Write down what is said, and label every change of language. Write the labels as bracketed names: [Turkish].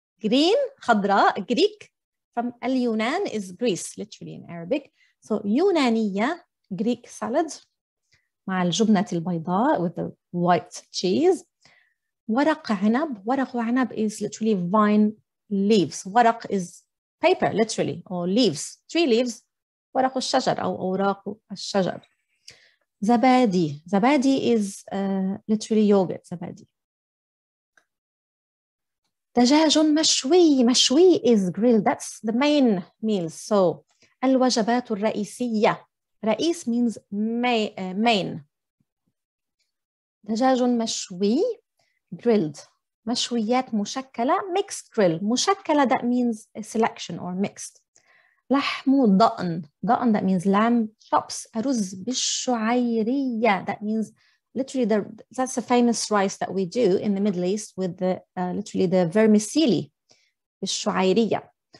[English] Green, khadra, Greek. From al-yunan is Greece, literally in Arabic. So yunaniya, Greek salad. [Arabic] مع الجبنة البيضاء [English] with the white cheese. [Arabic] ورق عنب. [English] ورق عنب is literally vine leaves. ورق is paper, literally, or leaves. Tree leaves. [Arabic] ورق الشجر أو أوراق الشجر. زبادي. [English] زبادي is literally yogurt. [Arabic] زبادي. دجاج مشوي. [English] مشوي is grilled. That's the main meal. [Arabic] So الوجبات الرئيسية. [English] رئيس means main. [Arabic] دجاج مشوي, grilled. [English] مشويات مشكلة, mixed grill. مشكلة, that means a selection or mixed. [Arabic] لحم ضأن. [English] ضأن, that means lamb chops. [Arabic] أرز بالشعيرية, [English] that means literally that's a famous rice that we do in the Middle East with the literally the vermicelli. بالشعيرية.